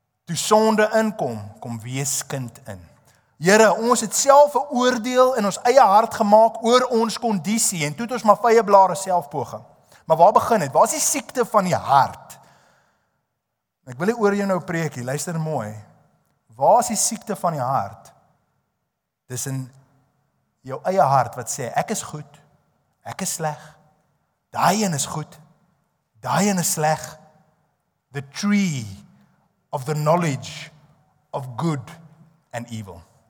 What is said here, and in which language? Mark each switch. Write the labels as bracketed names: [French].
[Afrikaans] Toe sonde inkom, kom weeskind in. Here, ons het self 'n oordeel in ons eie hart gemaak oor ons kondisie en toe het ons maar vye blare selfpoging. Maar waar begin het? Waar is die siekte van die hart? Ek wil nie oor jou nou preek hier, luister mooi. Waar is die siekte van die hart? Dis in jou eie hart wat sê, ek is goed, ek is sleg, daai een is goed, daai een is sleg. [English] The tree of the knowledge of good and evil.